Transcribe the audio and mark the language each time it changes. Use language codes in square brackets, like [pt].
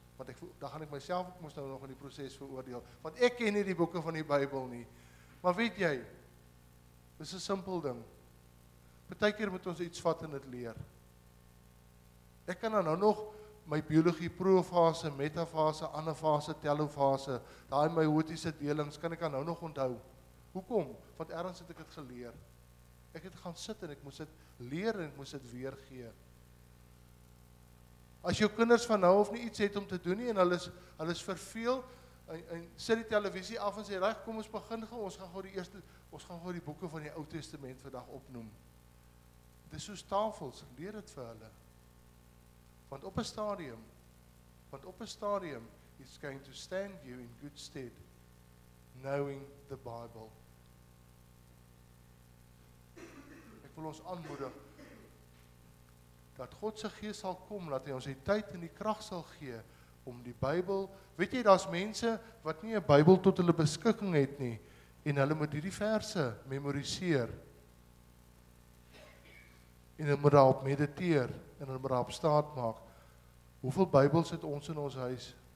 [af] Want dan gaan ek myself ook moes nou nog in die proses veroordeel. Want ek ken nie die boeke van die Bybel nie. Maar weet jy, dis 'n simpel ding. Partykeer moet ons iets vat en dit leer. Ek kan dan nou nog my biologie profase, metafase, anafase, telofase, daai meiotiese delings, kan ek dan nou nog onthou. Hoekom? Want ergens het ek dit geleer. Ek het gaan sit en ek moes dit leer en ek moes dit weergee. As jou kinders van nou af nie iets het om te doen nie en hulle is verveeld en sit die televisie af en sê reg, kom ons begin gou, ons gaan gou die boeke van die Ou Testament vandag opnoem. Dis soos tafels, leer dit vir hulle. Want op 'n stadium [en] it's going to stand you in good stead knowing the Bible. [af] wil ons aanmoedig dat God se Gees sal kom, dat hy ons die tyd en die krag sal gee om die Bybel, weet jy, daar's mense wat nie 'n Bybel tot hulle beskikking het nie en hulle moet hierdie verse memoriseer en hulle moet daarop mediteer en hulle moet daarop staat maak. Hoeveel Bybels het ons in ons huis?